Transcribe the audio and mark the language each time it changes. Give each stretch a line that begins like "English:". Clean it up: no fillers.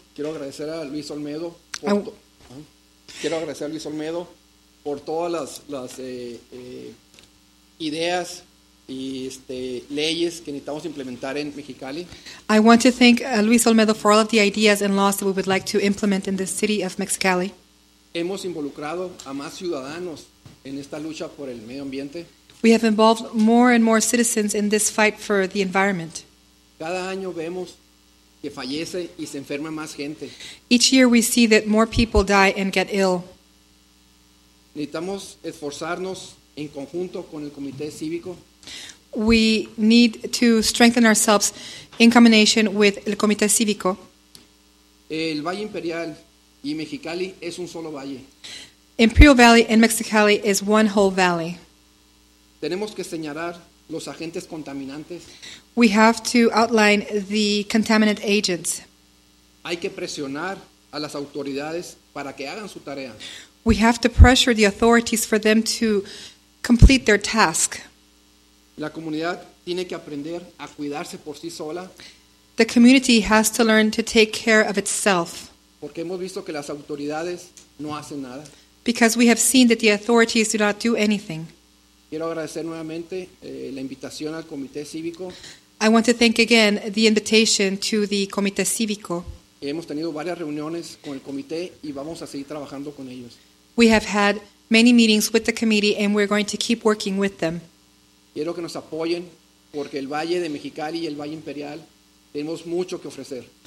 Spanish: Quiero agradecer a Luis Olmedo por todas las ideas y leyes que necesitamos implementar en Mexicali.
English: I want to thank Luis Olmedo for all of the ideas and laws that we would like to implement in the city of Mexicali.
Spanish: Hemos involucrado a más ciudadanos en esta lucha por el medio ambiente.
English: We have involved more and more citizens in this fight for the environment.
Spanish: Cada año vemos que fallece y se enferma más gente.
English: Each year we see that more people die and get ill.
Spanish: Necesitamos esforzarnos en conjunto con el Comité Cívico.
English: We need to strengthen ourselves in combination with el Comité Cívico.
Spanish: El Valle Imperial y Mexicali es un solo valle.
English: Imperial Valley and Mexicali is one whole valley.
Spanish: Tenemos que señalar los agentes contaminantes.
English: We have to outline the contaminant agents.
Spanish: Hay que presionar a las autoridades para que hagan su tarea.
English: We have to pressure the authorities for them to complete their task.
Spanish: La comunidad tiene que aprender a cuidarse por sí sola.
English: The community has to learn to take care of itself.
Spanish: Porque hemos visto que las autoridades no hacen nada.
English: Because we have seen that the authorities do not do anything.
Spanish: Quiero agradecer nuevamente la invitación al Comité Cívico.
English: I want to thank again the invitation to the Comité Cívico.
Spanish: Hemos tenido varias reuniones con el comité y vamos a seguir trabajando con ellos.
English: We have had many meetings with the committee and we're going to keep working with them.
Spanish: Quiero que nos apoyen porque el Valle de Mexicali y el Valle Imperial tenemos mucho que ofrecer.